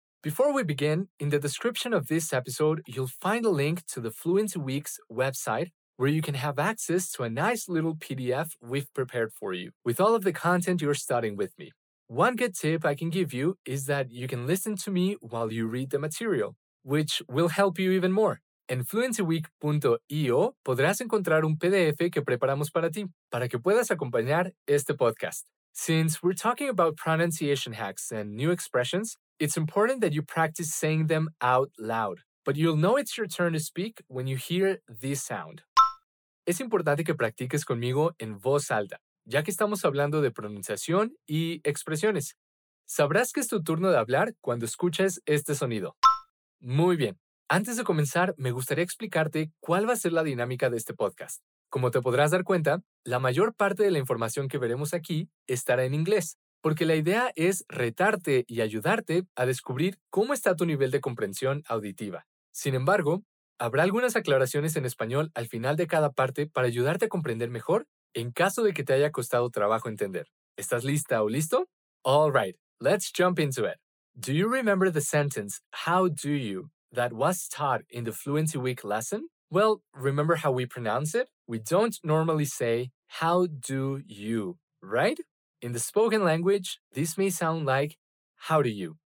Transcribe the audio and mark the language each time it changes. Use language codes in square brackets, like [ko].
[en] Before we begin, in the description of this episode, you'll find a link to the Fluency Week's website where you can have access to a nice little PDF we've prepared for you with all of the content you're studying with me. One good tip I can give you is that you can listen to me while you read the material, which will help you even more. [es] En fluencyweek.io podrás encontrar un PDF que preparamos para ti, para que puedas acompañar este podcast. [en] Since we're talking about pronunciation hacks and new expressions, it's important that you practice saying them out loud. But you'll know it's your turn to speak when you hear this sound. [es] Es importante que practiques conmigo en voz alta, ya que estamos hablando de pronunciación y expresiones. Sabrás que es tu turno de hablar cuando escuches este sonido. Muy bien. Antes de comenzar, me gustaría explicarte cuál va a ser la dinámica de este podcast. Como te podrás dar cuenta, la mayor parte de la información que veremos aquí estará en inglés, porque la idea es retarte y ayudarte a descubrir cómo está tu nivel de comprensión auditiva. Sin embargo, habrá algunas aclaraciones en español al final de cada parte para ayudarte a comprender mejor en caso de que te haya costado trabajo entender. ¿Estás lista o listo? [en] All right, let's jump into it. Do you remember the sentence, "How do you?" that was taught in the Fluency Week lesson? Well, remember how we pronounce it? We don't normally say, how do you, right? In the spoken language, this may sound like, how do you?